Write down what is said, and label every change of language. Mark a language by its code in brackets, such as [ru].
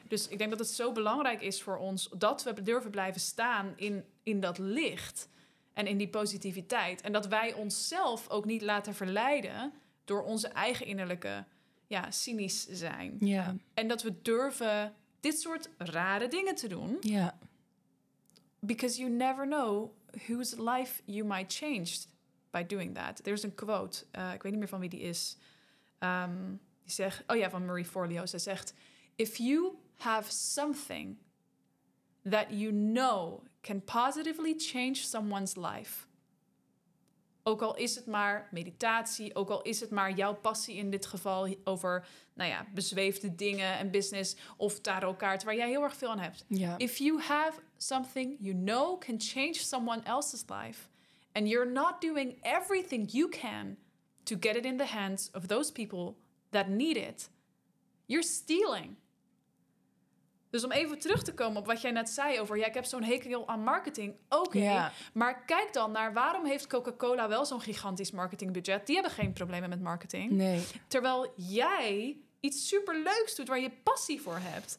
[nl] Dus ik denk dat het zo belangrijk is voor ons dat we durven blijven staan in dat licht en in die positiviteit. En dat wij onszelf ook niet laten verleiden door onze eigen innerlijke, ja, cynisch zijn. Ja. En dat we durven dit soort rare dingen te doen. Ja. [en] Because you never know whose life you might change by doing that. [nl] Er is een quote, ik weet niet meer van wie die is. Die zegt, oh ja, van Marie Forleo. Ze zegt, [en] if you have something that you know can positively change someone's life, [nl] ook al is het maar meditatie, ook al is het maar jouw passie in dit geval over, nou ja, bezweefde dingen en business of tarotkaart, waar jij heel erg veel aan hebt. [en] Yeah. If you have something you know can change someone else's life and you're not doing everything you can to get it in the hands of those people that need it, you're stealing. [nl] Dus om even terug te komen op wat jij net zei over, ja, ik heb zo'n hekel aan marketing. Oké, maar kijk dan naar, waarom heeft Coca-Cola wel zo'n gigantisch marketingbudget? Die hebben geen problemen met marketing. Nee. Terwijl jij iets superleuks doet waar je passie voor hebt.